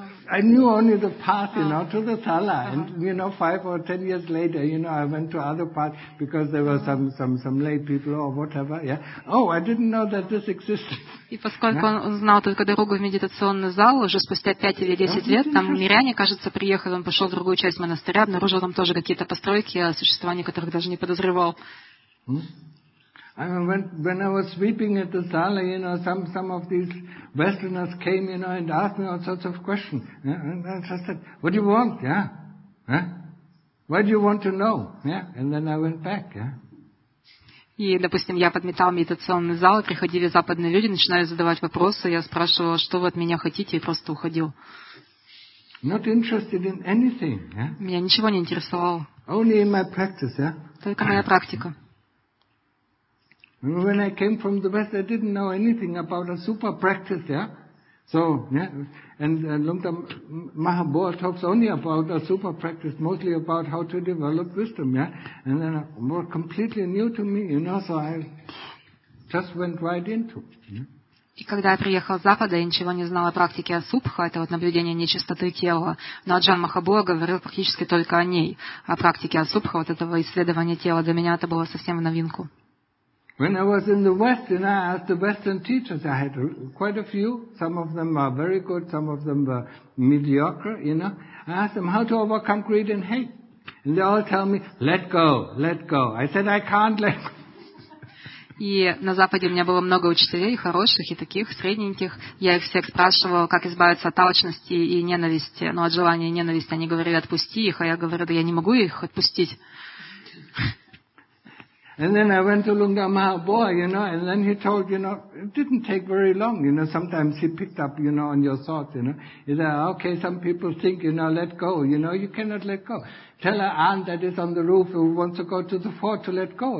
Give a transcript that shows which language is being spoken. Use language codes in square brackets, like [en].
[en] I knew only the path, you know, to the sala. Uh-huh. And, you know, 5 or 10 years later, you know, I went to other parts because there were some lay people or whatever, yeah. Oh, I didn't know that this existed. [ru] И поскольку он знал только дорогу в медитационный зал, уже спустя 5 или 10 лет, там миряне, кажется, приехали, он пошел в другую часть монастыря, обнаружил там тоже какие-то постройки, о существовании которых даже не подозревал. [en] I mean, when I was sweeping at the sala, you know, some of these Westerners came, you know, and asked me all sorts of questions. And I just said, what do you want? Yeah. Huh? Why do you want to know? Yeah. And then I went back, yeah. [ru] И, допустим, я подметал медитационный зал, и приходили западные люди, начинали задавать вопросы, я спрашивала, что вы от меня хотите, и просто уходил. [en] Not interested in anything, yeah? [ru] Меня ничего не интересовало. [en] Only in my practice, yeah? [ru] Только моя практика. [en] When I came from the West, I didn't know anything about a super practice, yeah? So, yeah, and Lungta Mahabua talks only about a super practice, mostly about how to develop wisdom, yeah? And then more completely new to me, you know, so I just went right into it. [ru] И когда я приехал с Запада, я ничего не знал о практике Асупха, это вот наблюдение нечистоты тела. Но Аджан Махабуа говорил практически только о ней, о практике Асупха, вот этого исследования тела. Для меня это было совсем в новинку. [en] When I was in the West, and I asked the Western teachers, I had quite a few, some of them are very good, some of them are mediocre, you know. I asked them how to overcome greed and hate. And they all tell me, let go, let go. I said, I can't let go. [ru] И на Западе у меня было много учителей, хороших и таких, средненьких. Я их всех спрашивала, как избавиться от алчности и ненависти, ну, от желания и ненависти. Они говорили, отпусти их, а я говорю, да я не могу их отпустить. [en] And then I went to Lungta Mahabua, you know, and then he told, you know, it didn't take very long, you know, sometimes he picked up, you know, on your thoughts, you know. He said, okay, some people think, you know, let go, you know, you cannot let go. Tell an aunt that is on the roof who wants to go to the fort to let go.